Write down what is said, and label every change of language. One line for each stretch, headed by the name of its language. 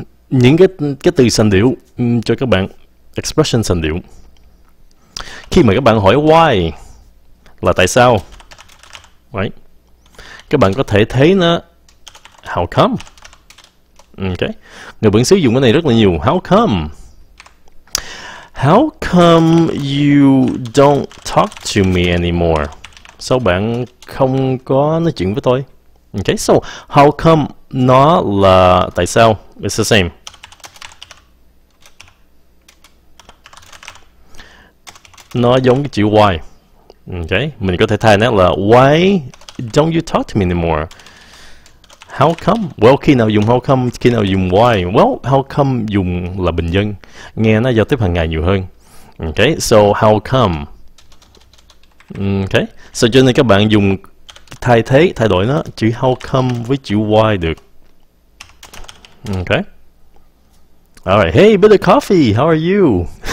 Vietnamese: Những cái từ sành điệu cho các bạn, expression sành điệu. Khi mà các bạn hỏi why là tại sao? Right. Các bạn có thể thấy nó how come? Ok. Người vẫn sử dụng cái này rất là nhiều.
English: How come? How come you don't talk to me anymore?
Vietnamese: Sao bạn không có nói chuyện với tôi? Ok, so how come nó là tại sao?
English: It's the same.
Vietnamese: Nó giống cái chữ why. Ok, mình có thể thay nó là
English: why don't you talk to me anymore? How come?
Vietnamese: Well, khi nào dùng how come, khi nào dùng why? Well, how come dùng là bình dân, nghe nó giao tiếp hàng ngày nhiều hơn. Ok, so how come? Ok, so cho nên các bạn dùng thay thế, thay đổi nó, chữ how come với chữ why được.
English: Ok. Alright, hey, bit of coffee, how are you?